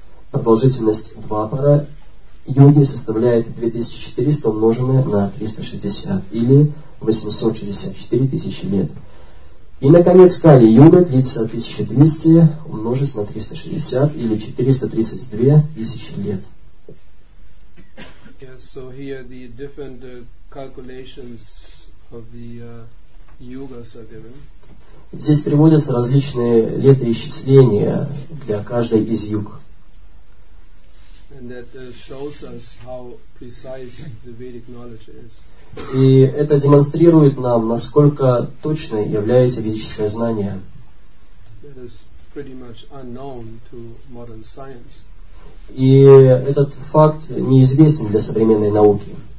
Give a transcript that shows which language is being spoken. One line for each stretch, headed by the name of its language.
Russian: Продолжительность Двапара-юги составляет 2400 умноженное на 360, или 864 000 лет. И, наконец, Кали-юга длится 1200 умножить на 360, или 432 000 лет.
English: So here the different calculations of the yugas are given.
Russian: Здесь приводятся различные летоисчисления для каждой из юг.
English: And that shows us how precise the Vedic knowledge is.
Russian: И это демонстрирует нам, насколько точной является ведическое знание.
English: That is pretty much unknown to modern science.
Russian: И этот факт неизвестен для современной науки.